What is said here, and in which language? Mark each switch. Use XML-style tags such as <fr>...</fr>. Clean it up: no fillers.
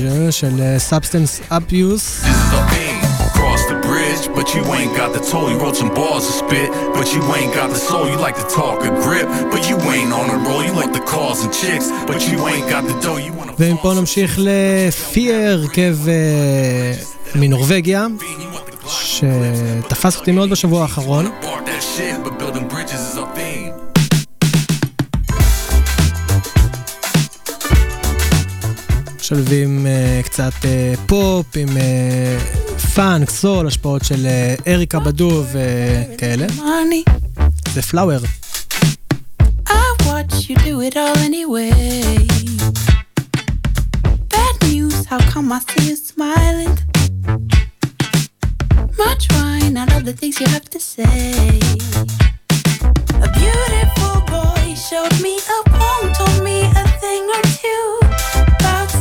<he>של Substance Abuse.</he> <en>This is our pain, cross the bridge, but you ain't got the toll, you wrote some bars to spit, but you ain't got the soul, you like to talk a grip, but you ain't on a roll, you like the cars and chicks, but you ain't got the dough, you wanna...</en> <he>ואם פה נמשיך לפיאר, כב מנורווגיה, שתפס אותי מאוד בשבוע האחרון. משלבים קצת פופ עם פאנק, סול, השפעות של אריקה בדו וכאלה. זה פלאוור.</he> <en>I watch you do it all anyway. Bad news, how come I see you smiling? Much wine, I love the things you have to say. A beautiful boy showed me a poem, told me a thing or two.</en>